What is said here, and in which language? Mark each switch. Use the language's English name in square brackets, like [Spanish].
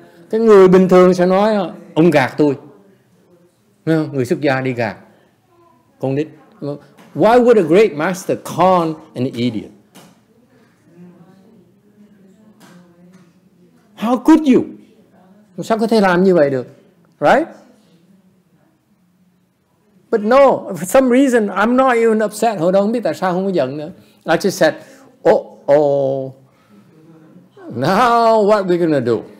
[Vietnamese] Cái người bình thường sẽ nói, ông gạt tôi. Người xuất gia đi gạt con nít. [English] Why would a great master con an idiot? How could you? [Vietnamese] Sao có thể làm như vậy được? [English] Right? But no, for some reason, I'm not even upset. [Vietnamese] Hồi đó không biết tại sao không có giận nữa. [English] I just said, now what we gonna do?